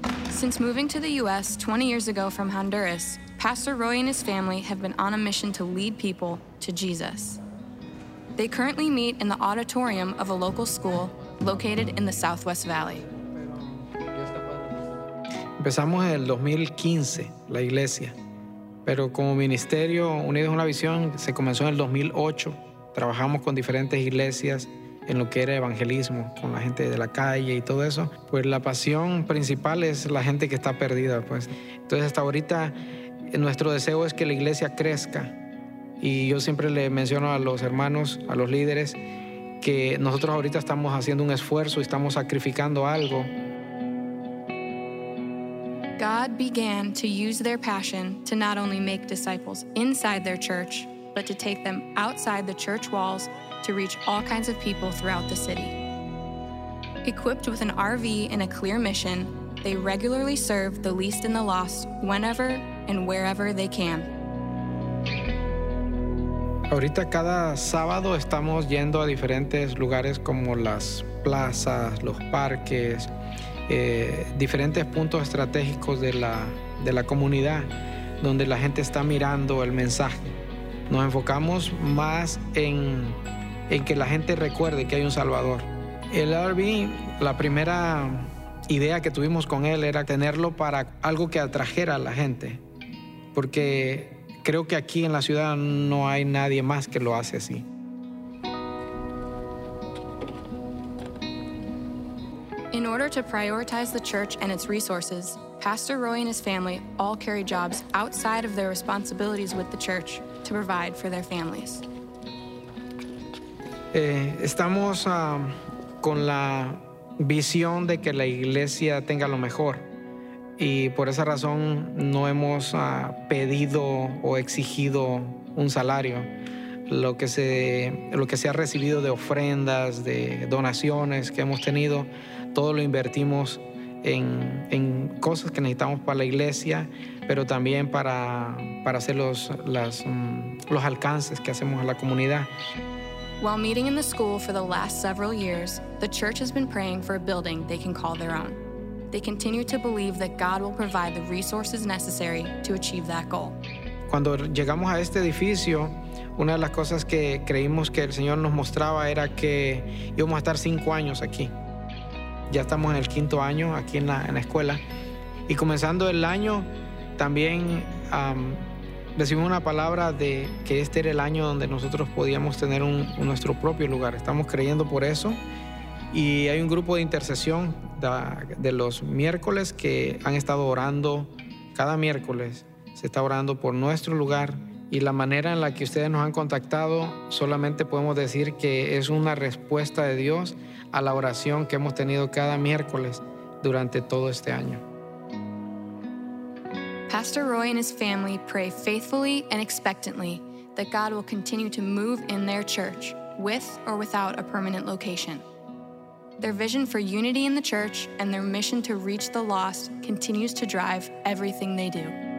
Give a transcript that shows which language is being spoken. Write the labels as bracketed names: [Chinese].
[English] Since moving to the U.S. 20 years ago from Honduras, Pastor Roy and his family have been on a mission to lead people to Jesus. They currently meet in the auditorium of a local school located in the Southwest Valley. [Spanish] Empezamos en 2015, la iglesia. Pero como ministerio, Unidos en la Visión, se comenzó en 2008. Trabajamos con diferentes iglesias en lo que era evangelismo, con la gente de la calle y todo eso. Pues la pasión principal es la gente que está perdida, pues. Entonces, hasta ahorita, nuestro deseo es que la iglesia crezca. Y yo siempre le menciono a los hermanos, a los líderes, que nosotros ahorita estamos haciendo un esfuerzo y estamos sacrificando algo. [English] God began to use their passion to not only make disciples inside their church, but to take them outside the church walls to reach all kinds of people throughout the city. Equipped with an RV and a clear mission, they regularly serve the least and the lost whenever and wherever they can. [Spanish] Ahorita cada sábado estamos yendo a diferentes lugares como las plazas, los parques, diferentes puntos estratégicos de la comunidad donde la gente está mirando el mensaje. Nos enfocamos más en que la gente recuerde que hay un Salvador. El RV, la primera idea que tuvimos con él era tenerlo para algo que atrajera a la gente, porque creo que aquí en la ciudad no hay nadie más que lo hace así. [English] In order to prioritize the church and its resources, Pastor Roy and his family all carry jobs outside of their responsibilities with the church to provide for their families. [Spanish] Estamos con la visión de que la iglesia tenga lo mejor. Y por esa razón no hemos pedido o exigido un salario. Lo que se ha recibido de ofrendas, de donaciones que hemos tenido, todo lo invertimos en cosas que necesitamos para la iglesia, pero también para hacer los alcances que hacemos a la comunidad. [English] While meeting in the school for the last several years, the church has been praying for a building they can call their own. They continue to believe that God will provide the resources necessary to achieve that goal. [Spanish] Cuando llegamos a este edificio, una de las cosas que creímos que el Señor nos mostraba era que íbamos a estar 5 años aquí. Ya estamos en el 5º año aquí en la escuela. Y comenzando el año, también recibimos una palabra de que este era el año donde nosotros podíamos tener nuestro propio lugar. Estamos creyendo por eso. Y hay un grupo de intercesión de los miércoles que han estado orando cada miércoles. Se está orando por nuestro lugar. Y la manera en la que ustedes nos han contactado, solamente podemos decir que es una respuesta de Dios a la oración que hemos tenido cada miércoles durante todo este año. [English] Pastor Roy and his family pray faithfully and expectantly that God will continue to move in their church with or without a permanent location. Their vision for unity in the church and their mission to reach the lost continues to drive everything they do.